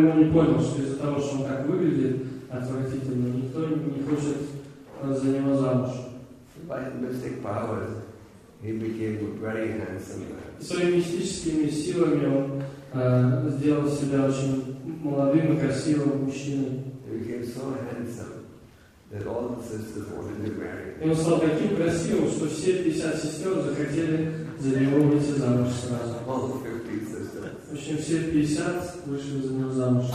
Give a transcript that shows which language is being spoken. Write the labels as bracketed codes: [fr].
[ru] Муни понял, что из-за того, что он так выглядит отвратительно, никто не хочет за него замуж. [en] By his mystic powers, He became a very handsome man. [ru] Своими мистическими силами он сделал себя очень молодым и красивым мужчиной. [en] He became so handsome that all the sisters wanted to marry him. [ru] И он стал таким красивым, что все 50 сестер захотели за него выйти замуж сразу. [en] All 50 sisters. [ru] В общем, все 50 вышли за него замуж.